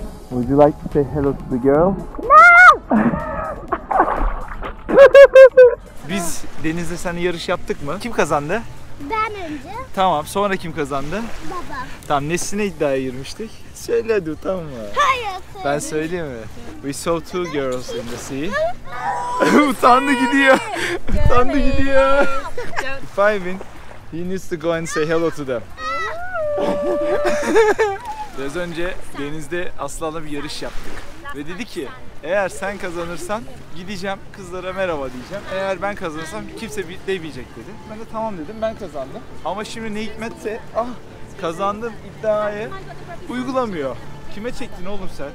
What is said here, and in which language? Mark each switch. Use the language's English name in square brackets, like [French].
[English] Would you like to say hello to the girl? [Turkish] Biz Deniz'le sen yarış yaptık mı? Kim kazandı? Ben önce. Tamam, sonra kim kazandı? Baba. Tamam, nesine iddiaya girmiştik? Söyle hadi, tamam mı? Hayır, söyleyeyim. Ben söyleyeyim mi? [English] We saw two girls in the sea. [Turkish] Utandı gidiyor. Utandı gidiyor. [English] If I win, he needs to go and say hello to them. [Turkish] Biraz önce Deniz'de Aslan'la bir yarış yaptık. Ve dedi ki, eğer sen kazanırsan gideceğim kızlara merhaba diyeceğim. Eğer ben kazanırsam kimse bir demeyecek dedi. Ben de tamam dedim, ben kazandım. Ama şimdi ne hikmetse kazandım iddiayı uygulamıyor. Kime çektin oğlum sen?